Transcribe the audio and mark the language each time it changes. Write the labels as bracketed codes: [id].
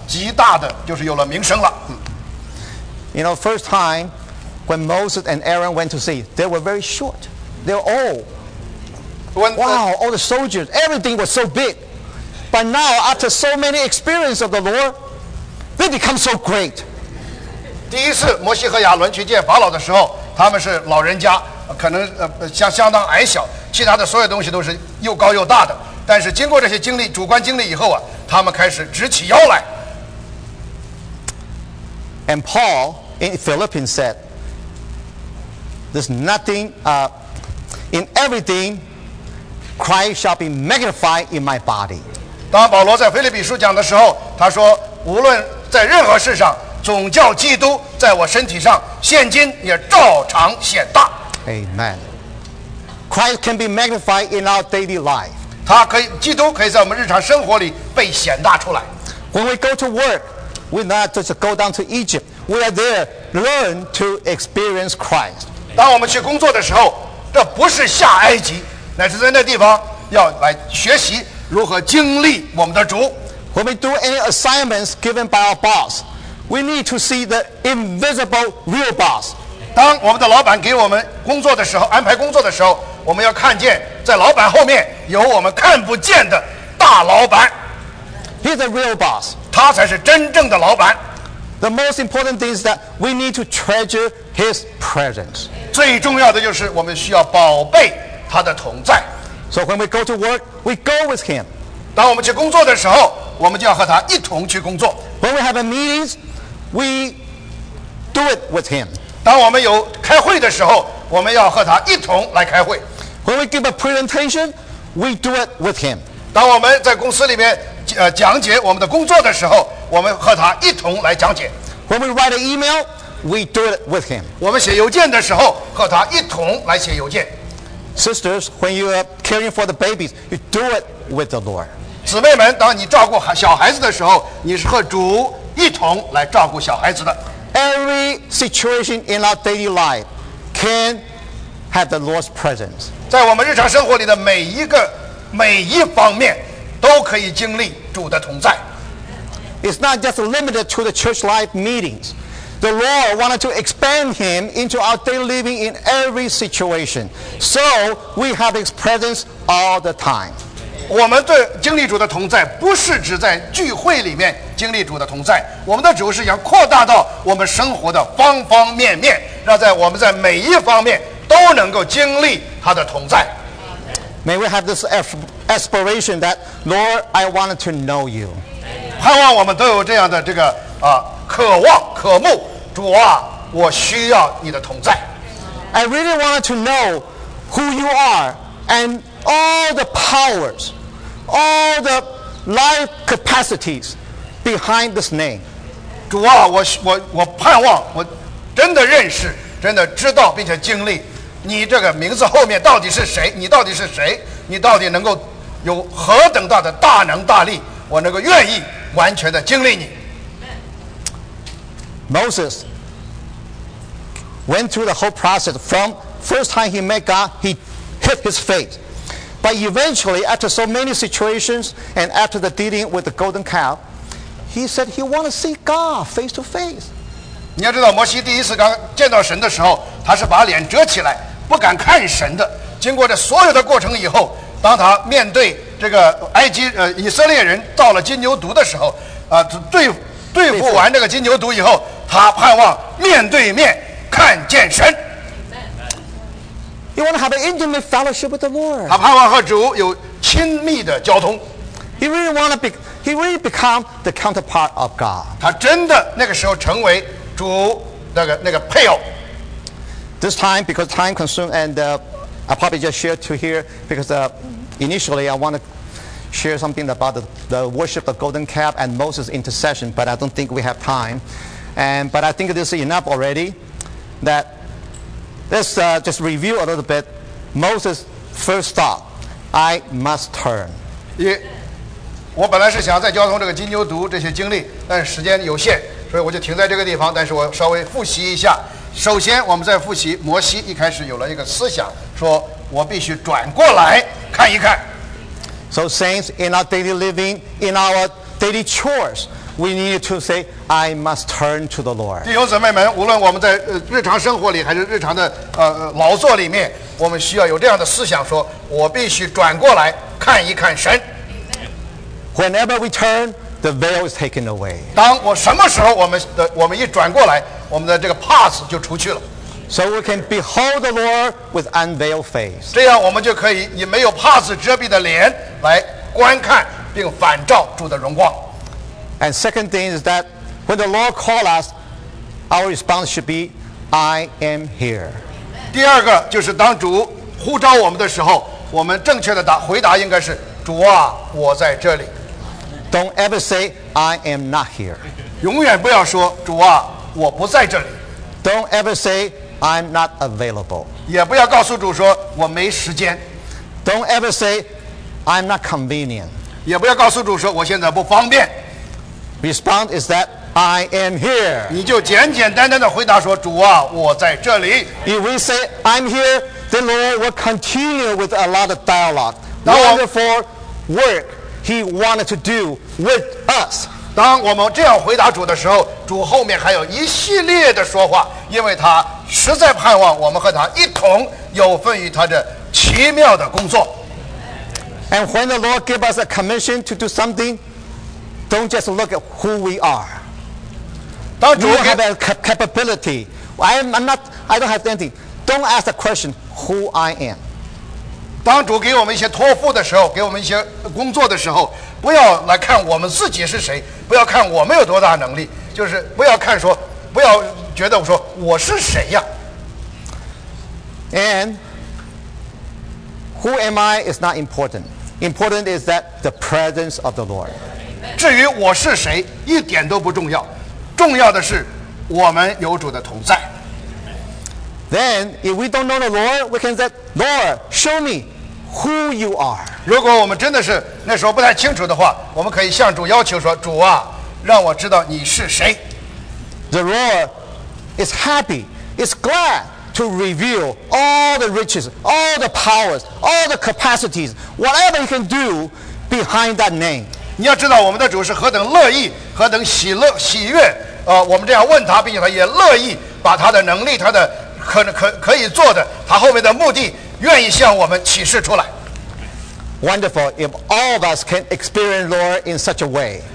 [zh] 极大的，就是有了名声了。 [en] You know, first time when Moses and Aaron went to see, they were very short. They were old. All the soldiers, everything was so big. But now, after so many experiences of the Lord, they become so great. [zh] 第一次摩西和亚伦去见法老的时候，他们是老人家，可能相当矮小，其他的所有东西都是又高又大的。但是经过这些经历，主观经历以后啊，他们开始直起腰来。 [en] And Paul in Philippians said, "There's nothing in everything. Christ shall be magnified in my body." [zh] 当保罗在腓立比书讲的时候，他说：“无论在任何事上，总叫基督在我身体上，现今也照常显大。” [en] Amen. Christ can be magnified in our daily life. [zh] 他可以，基督可以在我们日常生活里被显大出来。 [en] When we go to work, we not just go down to Egypt. We are there learn to experience Christ. [zh] 当我们去工作的时候，这不是下埃及，乃是在那地方要来学习。如何经历我们的主 [en] When we do any assignments given by our boss, we need to see the invisible real boss. [zh] 当我们的老板给我们工作的时候，安排工作的时候，我们要看见在老板后面有我们看不见的大老板。 [en] He's a real boss. [zh] 他才是真正的老板。 [en] The most important thing is that we need to treasure his presence. [zh] 最重要的就是我们需要宝贝他的同在。 [en] So when we go to work, we go with him. [zh] 当我们去工作的时候，我们就要和他一同去工作。 [en] When we have a meetings, we do it with him. [zh] 当我们有开会的时候，我们要和他一同来开会。 [en] When we give a presentation, we do it with him. [zh] 当我们在公司里面讲解我们的工作的时候，我们和他一同来讲解。 [en] When we write an email, we do it with him. [zh] 我们写邮件的时候，和他一同来写邮件。 [en] Sisters, when you are caring for the babies, you do it with the Lord. [zh] 姊妹们，当你照顾小孩子的时候，你是和主一同来照顾小孩子的。 [en] Every situation in our daily life can have the Lord's presence. [zh] 在我们日常生活里的每一方面，都可以经历主的同在。 [en] It's not just limited to the church life meetings. The Lord wanted to expand him into our daily living in every situation. So we have his presence all the time. [zh] 我们对经历主的同在不是只在聚会里面经历主的同在，我们的主是要扩大到我们生活的方方面面，让在我们在每一方面都能够经历他的同在。 [en] May we have this aspiration that, Lord, I wanted to know you. [zh] 盼望我们都有这样的这个啊渴望渴慕，主啊，我需要你的同在。 [en] I really wanted to know who you are and all the powers, all the life capacities behind this name. [zh] 主啊，我盼望我真的认识，真的知道并且经历。你这个名字后面到底是谁？你到底是谁？你到底能够有何等大的大能大力？我能够愿意完全的经历你。 [en] Moses went through the whole process. From first time he met God, he hit his face. But eventually, after so many situations and after the dealing with the golden calf, he said he wanted to see God face to face. [zh] 你要知道，摩西第一次刚见到神的时候，他是把脸遮起来。不敢看神的，经过这所有的过程以后，当他面对这个以色列人造了金牛犊的时候，对付完这个金牛犊以后，他盼望面对面看见神。 [en] He want to have an intimate fellowship with the Lord. [zh] 他盼望和主有亲密的交通。 [en] He really want to be, he really become the counterpart of God. [zh] 他真的那个时候成为主那个配偶。 [en] This time, because time consumed, and I probably just share to here, because initially I want to share something about the worship of Golden Calf and Moses' intercession, but I don't think we have time. But I think this is enough already. That let's just review a little bit. Moses' first thought, I must turn. Yeah. [zh] 我本来是想再交通这个金牛犊这些经历，但是时间有限，所以我就停在这个地方，但是我稍微复习一下。首先我们在复习摩西一开始有了一个思想，说我必须转过来看一看。 [en] So saints, in our daily living, in our daily chores, we need to say I must turn to the Lord. [zh] 弟兄姊妹们，无论我们在日常生活里还是日常的劳作里面，我们需要有这样的思想，说我必须转过来看一看神。 [en] Whenever we turn, the veil is taken away. [zh] 当我什么时候我们一转过来，我们的这个 pass 就除去了。 [en] So we can behold the Lord with unveiled face. [zh] 这样我们就可以以没有 pass 遮蔽的脸来观看并反照主的荣光。 [en] And second thing is that when the Lord calls us, our response should be, I am here. [zh] 第二个就是当主呼召我们的时候，我们正确的回答应该是，主啊，我在这里。 [en] Don't ever say, I am not here. [zh] 永远不要说，主啊，我不在这里。 [en] Don't ever say, I'm not available. [zh] 也不要告诉主说，我没时间。 [en] Don't ever say, I'm not convenient. [zh] 也不要告诉主说，我现在不方便。 [en] Response is that, I am here. [zh] 你就简简单单的回答说，主啊，我在这里。 [en] If we say, I'm here, the Lord will continue with a lot of dialogue. Wonderful work. He wanted to do with us. [zh] 当我们这样回答主的时候，主后面还有一系列的说话，因为他实在盼望我们和他一同有份于他的奇妙的工作。 [en] And when the Lord gives us a commission to do something, don't just look at who we are. [zh] 当主 [en] we have a capability. I don't have anything. Don't ask the question who I am. [zh] 当主给我们一些托付的时候，给我们一些工作的时候，不要来看我们自己是谁，不要看我们有多大能力，就是不要看说，不要觉得我说我是谁呀。 [en] And who am I is not important. Important is that the presence of the Lord. [zh] 至于我是谁，一点都不重要，重要的是我们有主的同在。 [en] Then, if we don't know the Lord, we can say, Lord, show me who you are. [zh] 如果我们真的是那时候不太清楚的话，我们可以向主要求说，主啊，让我知道你是谁。 [en] The Lord is happy, is glad to reveal all the riches, all the powers, all the capacities, whatever he can do behind that name. [zh] 你要知道我们的主是何等乐意，何等喜乐，喜悦，我们这样问他，并且他也乐意把他的能力，他的可以做的，他后面的目的，愿意向我们启示出来。 [en] Wonderful. If all of us can experience the Lord in such a way,